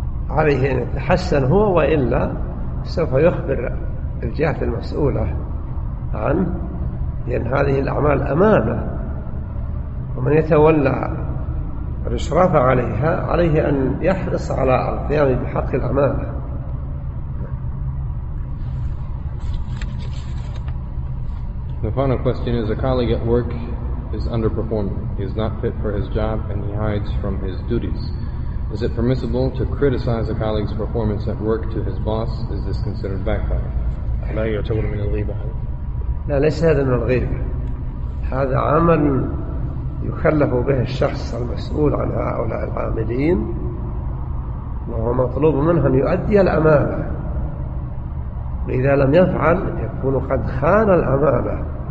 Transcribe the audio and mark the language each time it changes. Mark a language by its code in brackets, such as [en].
[ar] عليه أن يتحسن هو، وإلا سوف يخبر الجهة المسؤولة عنه، لأن هذه الأعمال أمانة، ومن يتولى الإشراف عليها عليه أن يحرص على القيام بحق الأمانة. [en] The final question is, a colleague at work is underperforming. He is not fit for his job and he hides from his duties. Is it permissible to criticize a colleague's performance at work to his boss? Is this considered backfire? [ar] لا يعتبر من الغيبة. لا ليس هذا من الغيبة. هذا عمل يخلف به الشخص المسؤول عن هؤلاء العاملين وهو مطلوب منه أن يؤدي الأمانة. إذا لم يفعل يكون قد خان الأمانة.